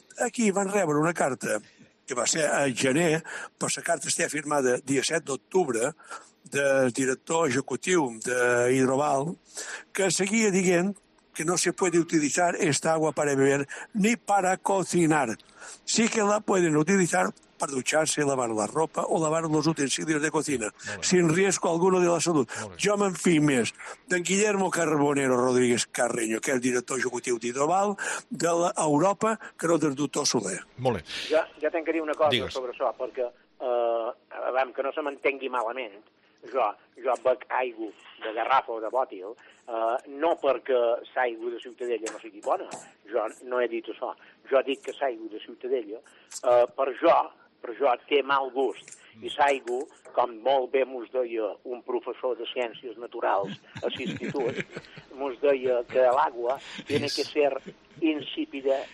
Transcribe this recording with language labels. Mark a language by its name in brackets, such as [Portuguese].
[Catalan] Aquí van rebre una carta, que va ser a gener, però la carta està firmada dia 7 d'octubre, del director executiu d'Hidrobal, que seguia dient que [Spanish] no se puede utilizar esta agua para beber ni para cocinar. Sí que la pueden utilizar [Catalan] per dutxar-se, [Spanish] lavar la ropa o lavar los utensilios de cocina, sin riesgo alguno de la salud. [Catalan] Jo me'n fi més d'en Guillermo Carbonero Rodríguez Carreño, que és el director executiu d'Hidrobal, de l'Europa, que no del doctor Soler. Molt bé. Jo tenc que dir una cosa. Digues. Sobre això, perquè, que no se m'entengui malament, Jo bec aigua de garrafa o de bòtil, no perquè l'aigua de Ciutadella no sigui bona, jo no he dit això, jo dic que l'aigua de Ciutadella, per jo té mal gust, i l'aigua, com molt bé mos deia un professor de ciències naturals a l'institut, mos deia que l'aigua [Spanish] tiene que ser insípida,